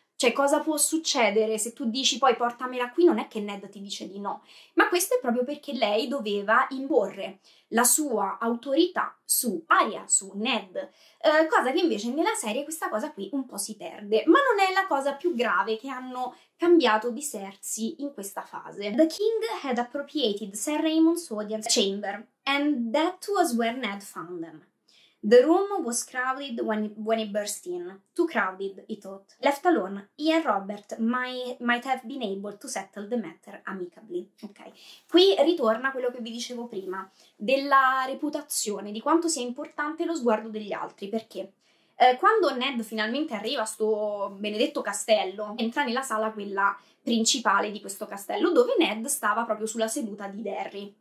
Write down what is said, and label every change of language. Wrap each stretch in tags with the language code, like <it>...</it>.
<it>Cioè, cosa può succedere se tu dici poi portamela qui? Non è che Ned ti dice di no. Ma questo è proprio perché lei doveva imporre la sua autorità su Arya, su Ned. Cosa che invece nella serie questa cosa qui un po' si perde. Ma non è la cosa più grave che hanno cambiato di Cersei in questa fase.</it> <en>The king had appropriated Ser Raymond's audience chamber, and that was where Ned found them. The room was crowded when it burst in. Too crowded, he thought. Left alone, he and Robert might have been able to settle the matter amicably. Ok.</en> <it>Qui ritorna quello che vi dicevo prima, della reputazione, di quanto sia importante lo sguardo degli altri. Perché quando Ned finalmente arriva a sto benedetto castello, entra nella sala quella principale di questo castello, dove Ned stava proprio sulla seduta di Derry.</it>